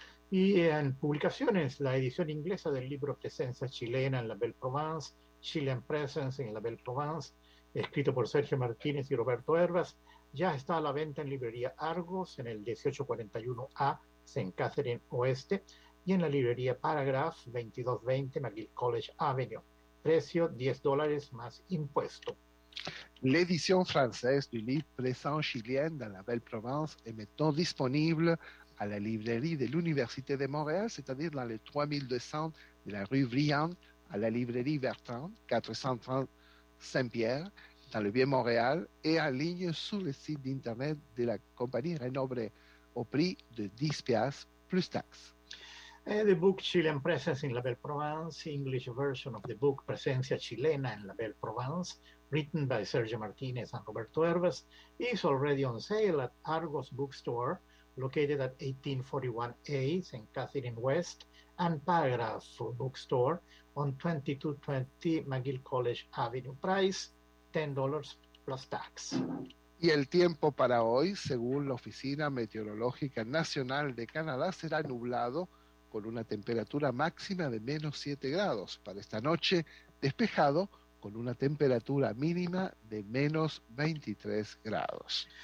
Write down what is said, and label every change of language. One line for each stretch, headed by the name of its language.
Spanish: Y en publicaciones, la edición inglesa del libro Presencia Chilena en la Belle Provence, Chilean Presence en la Belle Provence, escrito por Sergio Martínez y Roberto Herbas, ya está a la venta en librería Argos, en el 1841A, Saint-Catherine Oeste, y en la librería Paragraph, 2220 McGill College Avenue. Precio $10 más impuesto.
French: L'édition française du livre Présence Chilienne dans la Belle Provence est maintenant disponible à la librairie de l'Université de Montréal, c'est-à-dire dans les 3200 de la rue Briand, à la librairie Bertrand, 430 Saint-Pierre, dans le Vieux-Montréal, et en ligne sur le site d'Internet de la compagnie Renobre, au prix de 10 piastres plus taxes.
English: The book Chilean Presence in La Belle Provence, English version of the book Presencia Chilena en La Belle Provence, written by Sergio Martinez and Roberto Herbes, is already on sale at Argos Bookstore, located at 1841A, St. Catherine West, and Paragraph Bookstore on 2220 McGill College Avenue. Price, $10 plus tax.
Spanish: Y el tiempo para hoy, según la Oficina Meteorológica Nacional de Canadá, será nublado, con una temperatura máxima de menos 7 grados. Para esta noche, despejado, con una temperatura mínima de menos 23 grados.